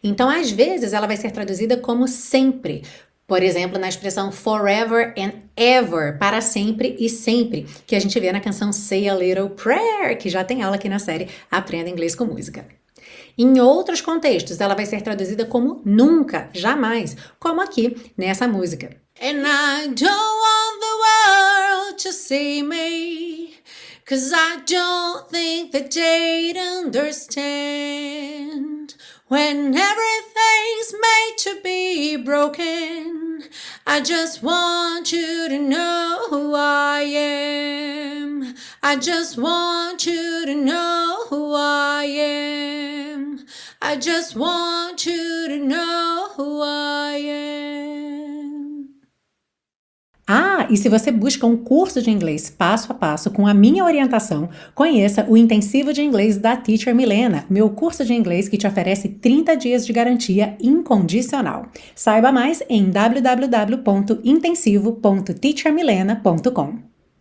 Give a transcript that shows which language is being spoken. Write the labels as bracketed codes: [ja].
[pt] Então, às vezes, ela vai ser traduzida como sempre. Por exemplo, na expressão [en] forever and ever, [pt] para sempre e sempre, que a gente vê na canção Say a Little Prayer, que já tem aula aqui na série Aprenda Inglês com Música. Em outros contextos, ela vai ser traduzida como nunca, jamais, como aqui nessa música. [en] And I don't want the world to see me, 'cause I don't think that they'd understand. When everything's made to be broken, I just want you to know who I am. I just want you to know who I am. I just want you to know who I am. [pt] Ah, e se você busca um curso de inglês passo a passo com a minha orientação, conheça o Intensivo de Inglês da Teacher Milena, meu curso de inglês que te oferece 30 dias de garantia incondicional. Saiba mais em www.intensivo.teachermilena.com.